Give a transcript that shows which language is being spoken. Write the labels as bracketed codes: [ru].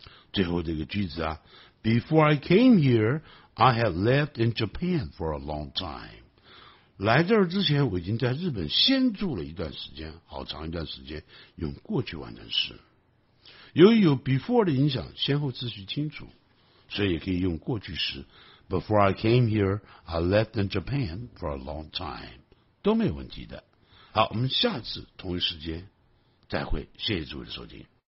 [zh] 最后这个句子啊， [en] Before I came here I had lived in Japan for a long time， [zh] 来这儿之前我已经在日本先住了一段时间，好长一段时间，用过去完成时。由于有 before 的影响，先后秩序清楚，所以也可以用过去时。 [en] Before I came here, I lived in Japan for a long time. [zh] 都没有问题的。好，我们下次同一时间再会，谢谢诸位的收听。